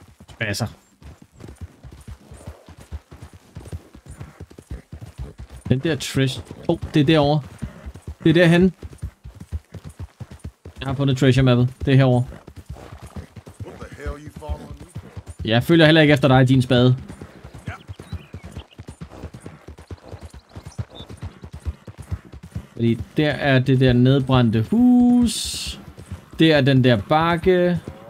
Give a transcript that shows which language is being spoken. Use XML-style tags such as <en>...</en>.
<da>Spasser. Den der Trish. Oh, det er derovre. Det er derhenne. Jeg har fundet treasure mappet. Det er herovre.</da> <en>What the hell are you following me?</en> <da>Jeg følger heller ikke efter dig, din spade. Yeah. Fordi der er det der nedbrændte hus. Der er den der bakke.</da>